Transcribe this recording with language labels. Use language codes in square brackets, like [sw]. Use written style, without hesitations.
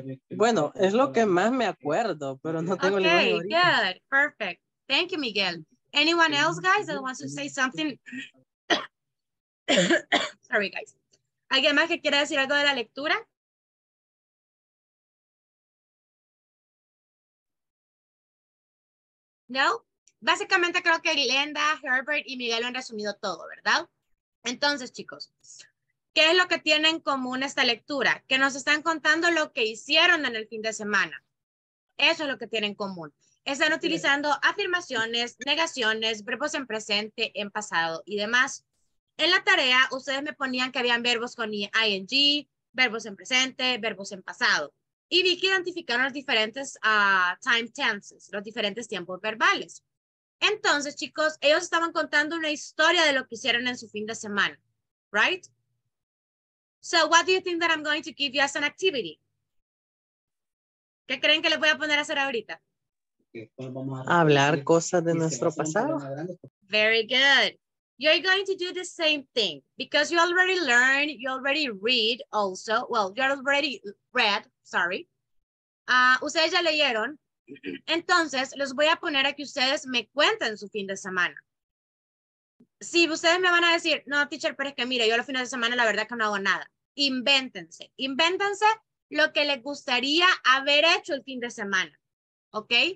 [es] Bueno, es lo que más me acuerdo, pero no tengo el idea. [en] Okay, good, perfect. Thank you, Miguel. Anyone else, guys, that wants to say something? Sorry, guys. [es] ¿Alguien más que quiera decir algo de la lectura? No, básicamente creo que Glenda, Herbert y Miguel lo han resumido todo, ¿verdad? Entonces, chicos, ¿qué es lo que tiene en común esta lectura? Que nos están contando lo que hicieron en el fin de semana. Eso es lo que tienen en común. Están utilizando afirmaciones, negaciones, verbos en presente, en pasado y demás. En la tarea, ustedes me ponían que habían verbos con ing, verbos en presente, verbos en pasado. Y vi que identificaron los diferentes time tenses, los diferentes tiempos verbales. Entonces, chicos, ellos estaban contando una historia de lo que hicieron en su fin de semana, right? [en] So, what do you think that I'm going to give you as an activity? [es] ¿Qué creen que les voy a poner a hacer ahorita? Hablar cosas de nuestro pasado. [en] Very good. You're going to do the same thing because you already learned, you already read also. Well, you already read. Sorry. [es] Ustedes ya leyeron. Entonces, los voy a poner a que ustedes me cuenten su fin de semana. Si ustedes me van a decir, no, teacher, pero es que mire, yo los fines de semana la verdad que no hago nada. Invéntense. Invéntense lo que les gustaría haber hecho el fin de semana, ¿ok?